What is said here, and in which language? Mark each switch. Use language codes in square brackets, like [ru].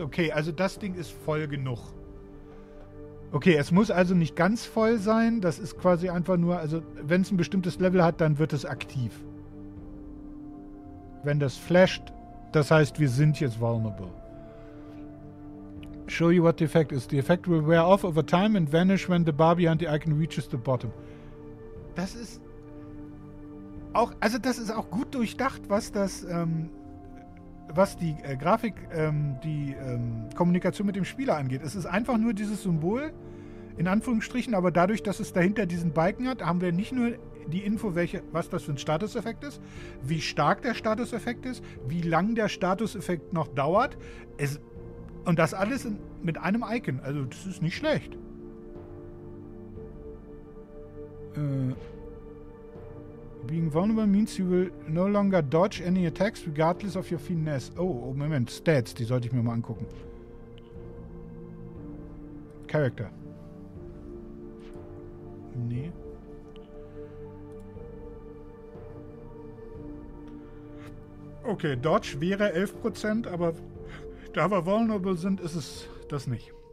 [de] Okay, also das Ding ist voll genug. Okay, es muss also nicht ganz voll sein. Das ist quasi einfach nur, also wenn es ein bestimmtes Level hat, dann wird es aktiv. Wenn das flasht, das heißt, wir sind jetzt vulnerable. [en] Show you what the effect is. The effect will wear off over time and vanish when the bar behind the icon reaches the bottom. [de] Das ist auch, also das ist auch gut durchdacht, was das, was die Grafik, die Kommunikation mit dem Spieler angeht. Es ist einfach nur dieses Symbol, in Anführungsstrichen, aber dadurch, dass es dahinter diesen Balken hat, haben wir nicht nur die Info, was das für ein Statuseffekt ist, wie stark der Statuseffekt ist, wie lang der Statuseffekt noch dauert. Und das alles mit einem Icon. Also das ist nicht schlecht. [en] Being vulnerable means you will no longer dodge any attacks regardless of your finesse. [de] Oh, Moment, Stats, die sollte ich mir mal angucken. Character. Nee. Okay, Dodge wäre 11%, aber da wir vulnerable sind, ist es das nicht.